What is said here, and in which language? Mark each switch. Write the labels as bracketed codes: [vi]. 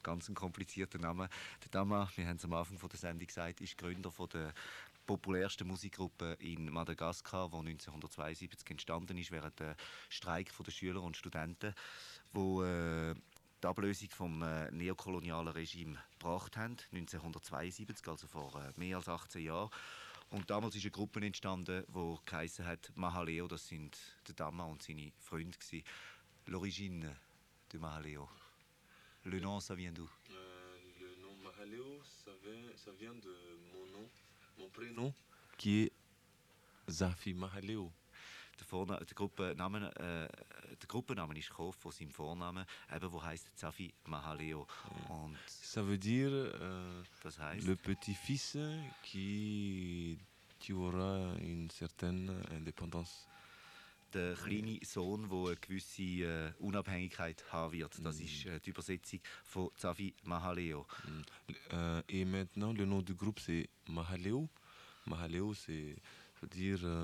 [de] Ganz ein komplizierter Name. Der Dama, wir haben es am Anfang von der Sendung gesagt, ist Gründer von der populärsten Musikgruppe in Madagaskar, die 1972 entstanden ist, während der Streik der Schüler und Studenten, wo die Ablösung vom neokolonialen Regime gebracht haben, 1972, also vor mehr als 18 Jahren. Und damals ist eine Gruppe entstanden, die geheissen hat Mahaleo, das sind der Dama und seine Freunde gewesen. [fr] L'origine de Mahaleo. Le nom, ça vient d'où? Le nom Mahaleo, ça vient de mon nom, mon prénom, qui est Zafi Mahaleo. [de] Der Gruppenname ist gekommen von seinem Vornamen, eben, wo heisst Zafi Mahaleo. Und [fr] ça veut dire, [de] das heißt, [fr] le petit-fils qui aura une certaine indépendance. [de] Der kleine Sohn, der eine gewisse Unabhängigkeit haben wird. Das ist die Übersetzung von Zafi Mahaleo. [fr] Et maintenant, le nom du groupe, c'est Mahaleo. Mahaleo, c'est dire.